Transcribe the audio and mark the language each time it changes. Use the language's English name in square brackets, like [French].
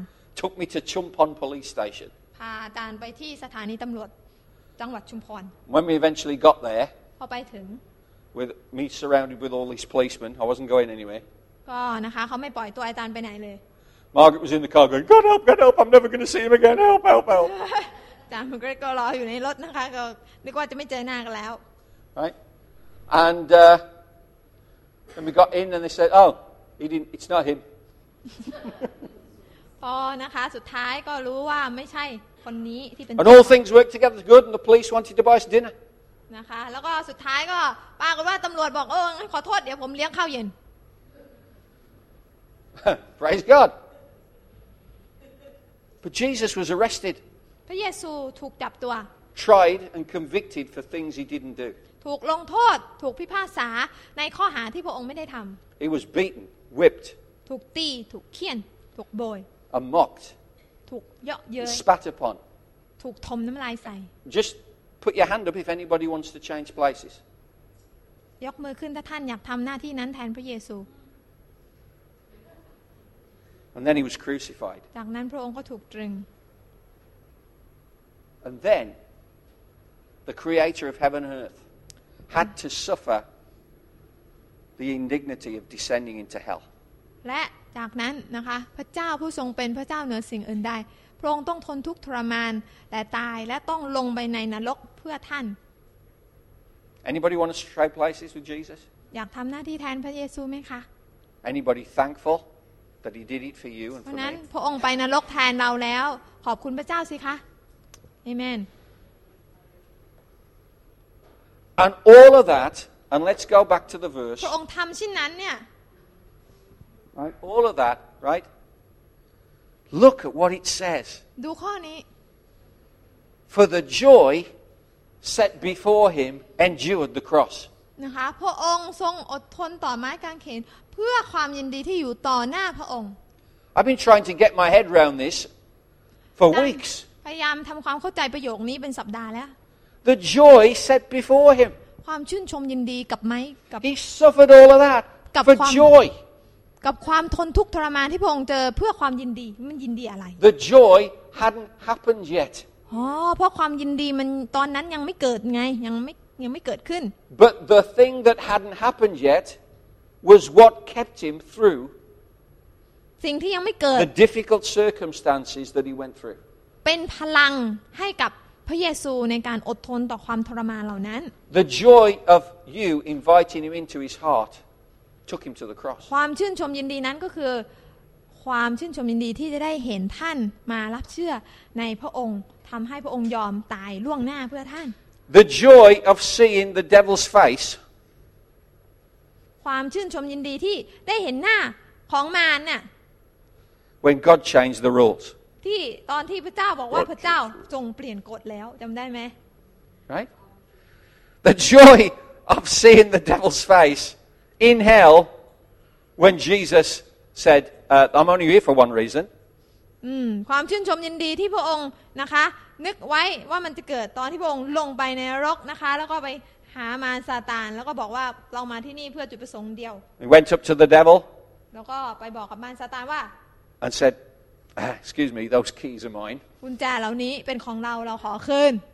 [English] took me to Chumphon police station [Thai] พาอาจารย์ไปที่สถานีตำรวจจังหวัดชุมพร [English] when we eventually got there [Thai] พอไปถึง [English] with me surrounded with all these policemen I wasn't going anywhere [Thai] ก็นะคะเขาไม่ปล่อยตัวอาจารย์ไปไหนเลย [English] Margaret was in the car going God help God help I'm never going to see him again help help help [Thai] อาจารย์ Margaret ก็รออยู่ในรถนะคะก็นึกว่าจะไม่เจอหน้ากันแล้ว [English] right and when we got in and they said oh he didn't it's not him [Thai] พอนะคะสุดท้ายก็รู้ว่าไม่ใช่คนนี้ที่เป็น [English] and all things worked together good and the police wanted to buy us dinner [Thai] นะคะแล้วก็สุดท้ายก็ปรากฏว่าตำรวจบอกขอโทษเดี๋ยวผมเลี้ยงข้าวเย็น [English] Praise God. But Jesus was arrested. [Thai] พระเยซูถูกจับตัว [English] Tried and convicted for things he didn't do. [Thai] ถูกลงโทษถูกพิพากษาในข้อหาที่พระองค์ไม่ได้ทำ [English] He was beaten, whipped. [Thai] ถูกตีถูกเคี่ยนถูกโบย [English] And mocked. [Thai] ถูกเยาะเย้ย [English] Spat upon. [Thai] ถูกถมน้ำลายใส่ [English] Just put your hand up if anybody wants to change places. [Thai] ยกมือขึ้นถ้าท่านอยากทำหน้าที่นั้นแทนพระเยซู [English] And then he was crucified. [Thai] จากนั้นพระองค์ก็ถูกตรึง [English] And then the creator of heaven and earth had to suffer the indignity of descending into hell. [Thai] และจากนั้นนะคะพระเจ้าผู้ทรงเป็นพระเจ้าเหนือสิ่งอื่นใดพระองค์ต้องทนทุกข์ทรมานและตายและต้องลงไปในนรกเพื่อท่าน [English] Anybody want to trade places with Jesus? [Thai] อยากทำหน้าที่แทนพระเยซูไหมคะ [English] Anybody thankful? That he did it for you and for me. [Thai] นั้นพระองค์ไปนรกแทนเราแล้วขอบคุณพระเจ้าสิคะ Amen. [English] And all of that, and let's go back to the verse. [Thai] พระองค์ทำเช่นนั้นเนี่ย [English] Right, all of that, right? Look at what it says. [Thai] ดูข้อนี้ [English] For the joy set before him endured the cross. [Thai] นะคะพระองค์ทรงอดทนต่อไม้กางเขนเพื่อความยินดีที่อยู่ต่อหน้าพระองค์ [English] I've been trying to get my head around this for weeks [Thai] พยายามทำความเข้าใจประโยคนี้เป็นสัปดาห์แล้ว [English] The joy set before him [Thai] ความชื่นชมยินดีกับไหมกับ [English] He suffered all of that for joy [Thai] กับความทนทุกข์ทรมานที่พระองค์เจอเพื่อความยินดีมันยินดีอะไร [English] The joy hadn't happened yet [Thai] อ๋อเพราะความยินดีมันตอนนั้นยังไม่เกิดไงยังไม่เกิดขึ้น [English] But the thing that hadn't happened yetwas what kept him through [Thai] สิ่งที่ยังไม่เกิด [English] the difficult circumstances that he went through [Thai] เป็นพลังให้กับพระเยซูในการอดทนต่อความทรมานเหล่านั้น [English] the joy of you inviting him into his heart took him to the cross [Thai] ความชื่นชมยินดีนั้นก็คือความชื่นชมยินดีที่จะได้เห็นท่านมารับเชื่อในพระองค์ทําให้พระองค์ยอมตายล่วงหน้าเพื่อท่าน [English] the joy of seeing the devil's face [Thai] ความชื่นชมยินดีที่ได้เห็นหน้าของมารน่ะ [English] When God changed the rules [Thai] ที่ตอนที่พระเจ้าบอกว่าพระเจ้าทรงเปลี่ยนกฎแล้วจำได้ไหม [English] Right The joy of seeing the devil's face in hell when Jesus said I'm only here for one reason [Thai] ความชื่นชมยินดีที่พระองค์นะคะนึกไว้ว่ามันจะเกิดตอนที่พระองค์ลงไปในรกนะคะแล้วก็ไปหามารซาตานแล้วก็บอกว่าเรามาที่นี่เพื่อจุดประสงค์เดียว [English] He went up to the devil [Thai] แล้วก็ไปบอกกับมารซาตานว่า [English] And said excuse me those keys are mine [Thai] กุญแจเหล่านี้เป็นของเราขอคืน